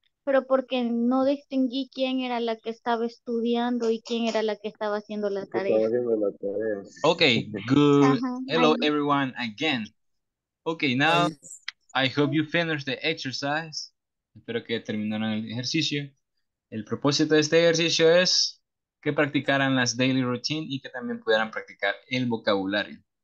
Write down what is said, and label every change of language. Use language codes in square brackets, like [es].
[es] Pero porque no distinguí quién era la que estaba estudiando y quién era la que estaba haciendo la tarea. [en] Okay, good. Ajá, hello, ahí. Everyone, again. Okay, now, I hope you finished the exercise. [es] Espero que terminaron el ejercicio. El propósito de este ejercicio es que practicaran las daily routine y que también pudieran practicar el vocabulario.